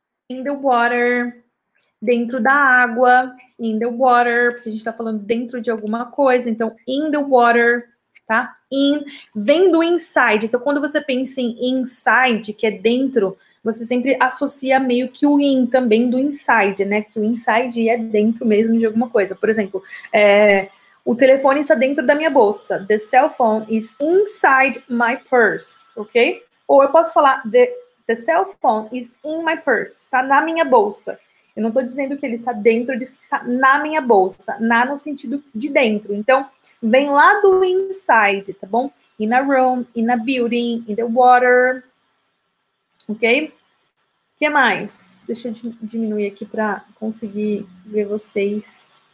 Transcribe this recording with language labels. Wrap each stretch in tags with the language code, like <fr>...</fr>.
<en>In the water,</en> <pt>dentro da água,</pt> <en>in the water,</en> <pt>porque a gente tá falando dentro de alguma coisa, então in the water, tá? In, vem do inside, então quando você pensa em inside, que é dentro, você sempre associa meio que o in também do inside, né? Que o inside é dentro mesmo de alguma coisa. Por exemplo, O telefone está dentro da minha bolsa.</pt> <en>The cell phone is inside my purse, ok?</en> <pt>Ou eu posso falar,</pt> <en>the cell phone is in my purse,</en> <pt>está na minha bolsa. Eu não estou dizendo que ele está dentro, eu disse que está na minha bolsa, na no sentido de dentro. Então, vem lá do inside, tá bom?</pt> <en>In a room, in a building, in the water, ok?</en> <pt>O que mais? Deixa eu diminuir aqui para conseguir ver vocês.</pt>